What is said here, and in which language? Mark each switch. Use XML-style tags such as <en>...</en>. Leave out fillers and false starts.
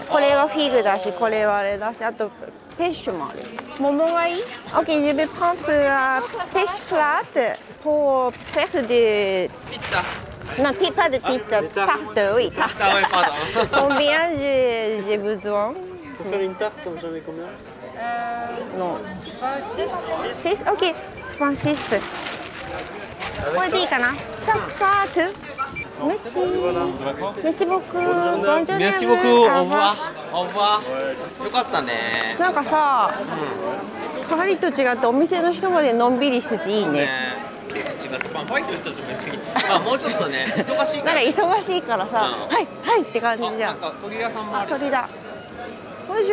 <ja>これはフィグだし、これはあれだし、あとペッシュもある。桃がいい ？</ja> <fr>OK, je vais prendre la pêche plate pour faire de pizza. Non, pas de pizza, tarte, oui, tarte. Combien j'ai besoin? Pour faire une tarte, j'en ai combien? Non. 6. Ok, je prends 6. Pour dire, ça, ça, ça, tout. Merci. Merci beaucoup. Bonne journée. Merci beaucoup. Au revoir. Au revoir.</fr> <ja>よかったね。なんかさ、パリと違ってお店の人までのんびりしてていいね。まあ、もうちょっとね、忙しいから、ね、なんか忙しいからさ、はい、はいって感じじゃん。なんか鳥屋さんもある。あ、鳥だ。ボンジ</ja>